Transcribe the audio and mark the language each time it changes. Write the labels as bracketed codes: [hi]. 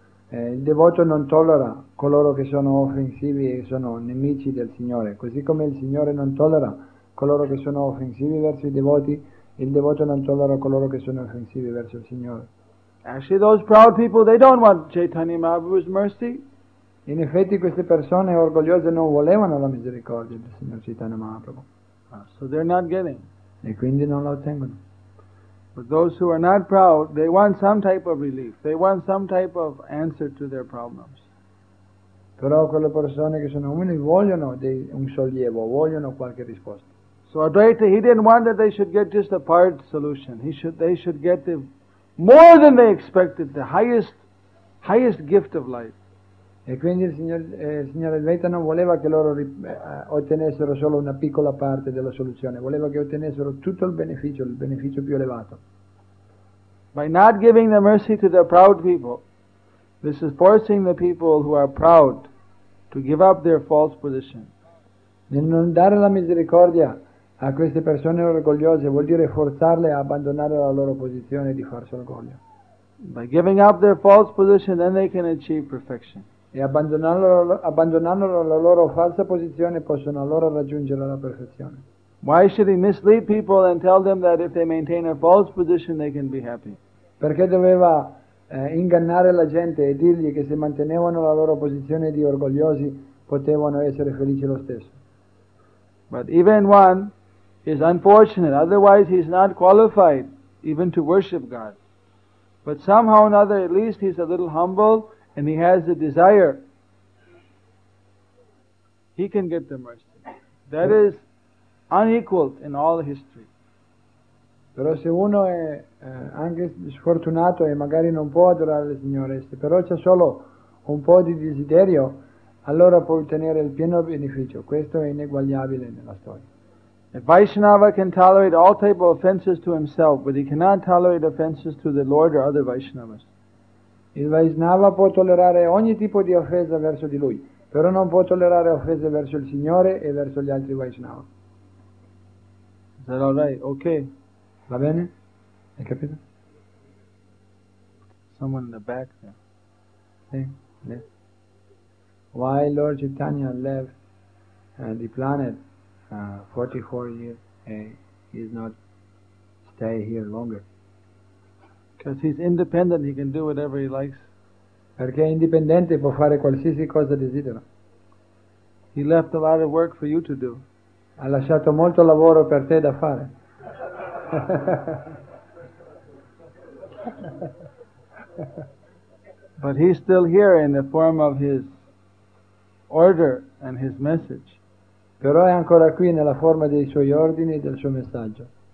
[it] Il devoto non tollera coloro che sono offensivi e sono nemici del Signore, così come il Signore non tollera coloro che sono offensivi verso i devoti, il devoto non tollera coloro che sono offensivi verso il Signore. [en] Actually, those proud people, they don't want Chaitanya Mahaprabhu's mercy. [it] In effetti queste persone orgogliose non volevano la misericordia del Signor Chaitanya Mahaprabhu. [en] So they're not getting. [it] E quindi non la ottengono. [en] But those who are not proud, they want some type of relief. They want some type of answer to their problems. [it] Però quelle persone che sono umili vogliono un sollievo, vogliono qualche risposta. [en] So Advaita, he didn't want that they should get just a part solution. They should get the more than they expected, the highest gift of life. [it] E quindi il signor Advaita non voleva che loro ottenessero solo una piccola parte della soluzione, voleva che ottenessero tutto il beneficio più elevato. [en] By not giving the mercy to the proud people, this is forcing the people who are proud to give up their false position. [it] Nel non dare la misericordia a queste persone orgogliose vuol dire forzarle a abbandonare la loro posizione di farsi orgoglio. [en] By giving up their false position, then they can achieve perfection. [it] E abbandonando la loro falsa posizione possono allora raggiungere la perfezione. [en] Why should he mislead people and tell them that if they maintain a false position they can be happy? [it] Perché doveva ingannare la gente e dirgli che se mantenevano la loro posizione di orgogliosi potevano essere felici lo stesso? [en] But even one is unfortunate, otherwise he's not qualified even to worship God. But somehow or another, at least he's a little humble and he has the desire, he can get the mercy. That is unequaled in all history. [it] Però se uno è anche sfortunato e magari non può adorare il Signore, se però c'è solo un po' di desiderio, allora può ottenere il pieno beneficio. Questo è ineguagliabile nella storia. [en] A Vaishnava can tolerate all type of offenses to himself, but he cannot tolerate offenses to the Lord or other Vaishnavas. [it] Il Vaishnava può tollerare ogni tipo di offesa verso di lui, però non può tollerare offese verso il Signore e verso gli altri Vaishnava. [en] Is that all right? Okay. [it] Va bene? Hai capito? [en] Someone in the back there. Hey, left. Why Lord Chaitanya left the planet 44 years and he is not stay here longer? Because he's independent, he can do whatever he likes. [it] Perché è indipendente, può fare qualsiasi cosa desidera. [en] He left a lot of work for you to do. [it] Ha lasciato molto lavoro per te da fare. [en] But he's still here in the form of his order and his message. [it] Però è ancora qui nella forma dei suoi ordini e del suo messaggio.